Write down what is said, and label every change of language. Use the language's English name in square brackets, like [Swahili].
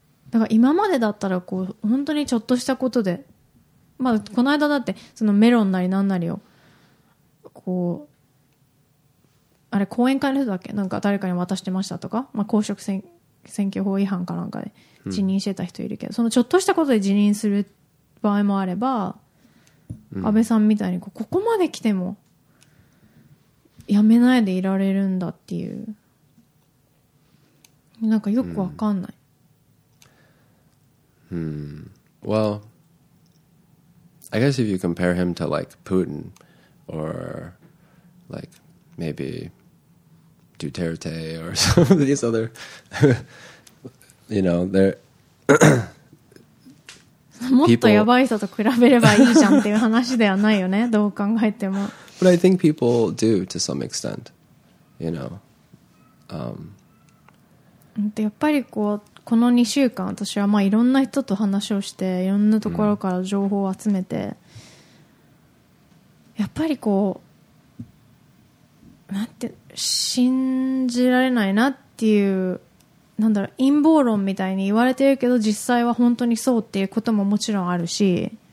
[Japanese] だから今までだったらこう本当にちょっとしたことで、まあこの間だってそのメロンなりなんなりをこうあれ講演会の人だっけ、なんか誰かに渡してましたとか、まあ公職選挙法違反かなんかで辞任してた人いるけど、うん、そのちょっとしたことで辞任する場合もあれば、安倍さんみたいにここまで来てもやめないでいられるんだっていう、なんかよくわかんない。 [English] Well, I guess if you compare him to like Putin or like maybe Duterte or some of these other, you know, they're people. [Japanese] もっとやばい人と比べればいいじゃんっていう話ではないよね。どう考えても。 [English] But I think people do to some extent, you know. [Japanese] でやっぱりこう。この2週間私はまあいろんな人と話をしていろんなところから情報を集めて、やっぱりこうなんて信じられないなっていう、なんだろう、陰謀論みたいに言われてるけど実際は本当にそうっていうことももちろんあるし、